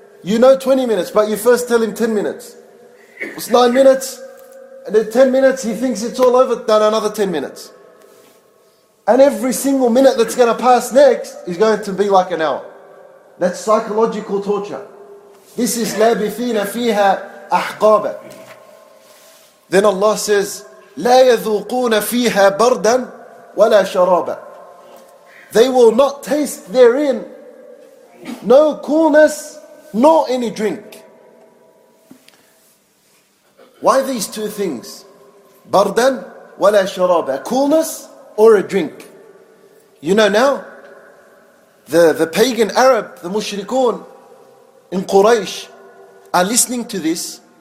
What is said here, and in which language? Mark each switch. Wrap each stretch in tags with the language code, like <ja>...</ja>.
<en>You know 20 minutes, but you first tell him 10 minutes. It's 9 minutes, and then 10 minutes, he thinks it's all over, then another 10 minutes. And every single minute that's going to pass next is going to be like an hour. That's psychological torture. This is</en> <ar>لَابِثِينَ فِيهَا أَحْقَابَ. Then Allah says, لَا يَذُوقُونَ فِيهَا بَرْدًا وَلَا شَرَابًا.</ar> <en>They will not taste therein no coolness nor any drink. Why these two things?</en> <ar>بَرْدًا وَلَا شَرَابًا.</ar> <en>Coolness or a drink. You know now, the pagan Arab, the mushrikun in Quraysh, are listening to this.</en>